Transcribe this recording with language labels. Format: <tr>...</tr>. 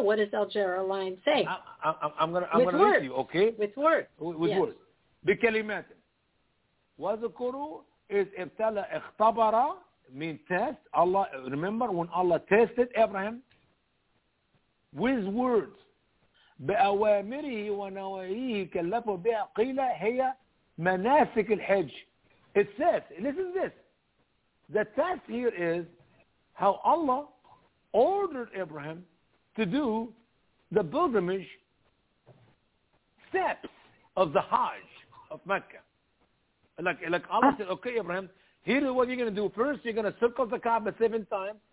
<en>What does Al-Jalalayn say? I'm gonna read you. Okay. With words. With yes. Words. Bikalimatin. Wazukuru. Is ibtala ikhtabara mean test. Allah, remember when Allah tested Abraham with words.</en> <ar>بأوامره ونواهيه كلفه بها قيل هي مناسك الحج.</ar> <en>It says, listen to this. The test here is how Allah ordered Abraham to do the pilgrimage steps of the Hajj of Mecca. Like Allah said, okay, Abraham, here is what you're going to do. First, you're going to circle the Kaaba 7 times.</en>